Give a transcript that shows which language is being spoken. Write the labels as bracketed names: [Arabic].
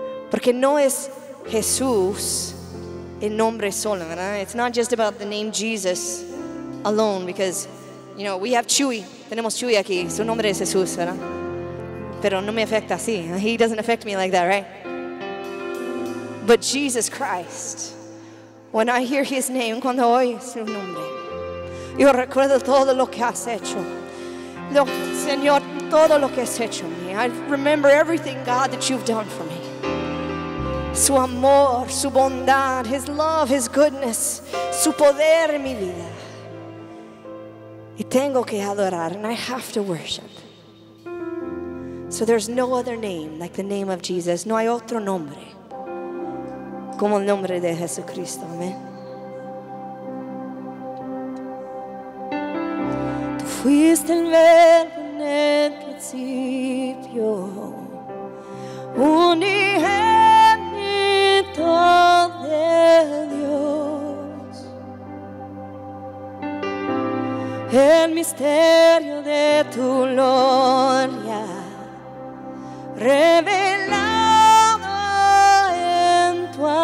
[Spanish] Porque no es Jesús el nombre solo, ¿verdad? [English] It's not just about the name Jesus alone, because, you know, we have Chuy. [Spanish] Tenemos Chuy aquí. Su nombre es Jesús, ¿verdad? Pero no me afecta así. [English] He doesn't affect me like that, right? But Jesus Christ. When I hear his name, [Spanish] cuando oigo su nombre, yo recuerdo todo lo que has hecho. Señor, todo lo que has hecho en mí. [English] I remember everything, God, that you've done for me. [Spanish] Su amor, su bondad, [English] his love, his goodness, [Spanish] su poder en mi vida. Y tengo que adorar, [English] and I have to worship. So there's no other name like the name of Jesus. [Spanish] No hay otro nombre como el nombre de Jesucristo. Amén. Tú fuiste el verbo en el principio, unigénito de Dios, el misterio de tu gloria revelado en tu